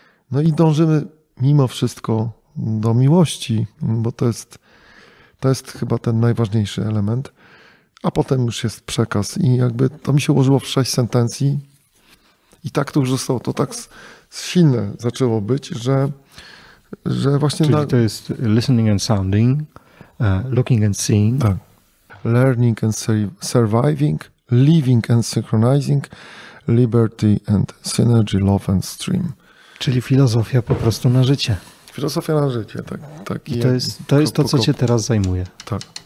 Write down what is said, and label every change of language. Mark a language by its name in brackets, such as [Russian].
[Polish] No i dążymy mimo wszystko do miłości, bo to jest chyba ten najważniejszy element, a potem już jest przekaz i jakby to mi się ułożyło w sześć sentencji i tak to już zostało, to tak silne zaczęło być, że właśnie... Czyli to jest [English] listening and sounding, looking and seeing. [Polish] Tak. [English] Learning and surviving, living and synchronizing, liberty and synergy, love and stream. [Polish] Czyli filozofia po prostu na życie. Filozofia na życie, tak. Tak. I to jest to, co cię teraz zajmuje. Tak.